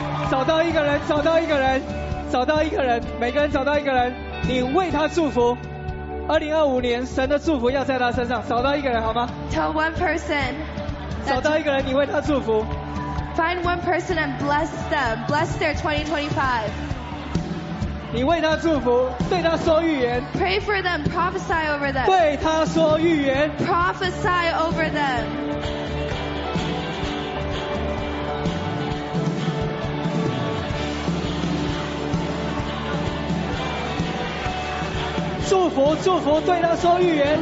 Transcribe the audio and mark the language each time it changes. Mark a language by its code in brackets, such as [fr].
[zh] 找到一个人，找到一个人，找到一个人，每个人找到一个人，你为他祝福。 2025年，神的祝福要在他身上。找到一个人好吗 [en] ？Tell one person. [zh] 找到一个人，你为他祝福。 [en] Find one person and bless them. Bless their 2025. [zh] 你为他祝福，对他说预言。 [en] Pray for them, prophesy over them. [zh] 对他说预言。 [en] Prophesy over them. [zh] 祝福，祝福，对他说预言。